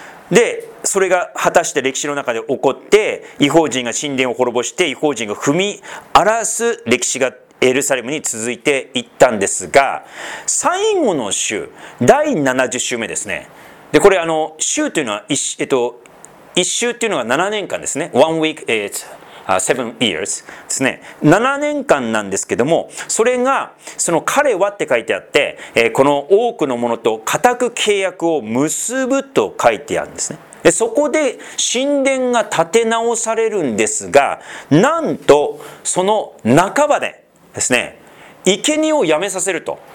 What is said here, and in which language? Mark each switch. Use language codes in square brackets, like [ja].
[ja] で、それが果たして歴史の中で起こって、異邦人が神殿を滅ぼして、異邦人が踏み荒らす歴史がエルサレムに続いていったんですが、最後の週、第70週目ですね。で、これ週というのは一週というのが7年間ですね。 [en] One week is seven years ですね。 [ja] 7年間なんですけども、それがその彼はって書いてあって、この多くの者と固く契約を結ぶと書いてあるんですね。で、そこで神殿が建て直されるんですが、なんとその半ばでですね、生贄をやめさせると。